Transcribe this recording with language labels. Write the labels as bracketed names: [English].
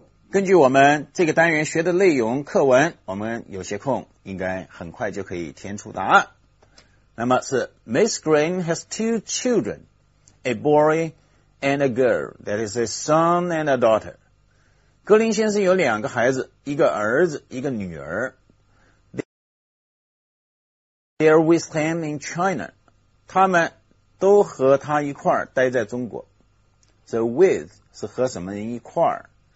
[Chinese] 根据我们这个单元学的内容课文，我们有些空应该很快就可以填出答案。那么是 [English] Miss Green has two children, a boy and a girl, that is a son and a daughter. [Chinese] 格林先生有两个孩子，一个儿子，一个女儿。 [English] They are with him in China. [Chinese] 他们都和他一块儿待在中国。 [English] So with [Chinese] 是和什么人一块儿。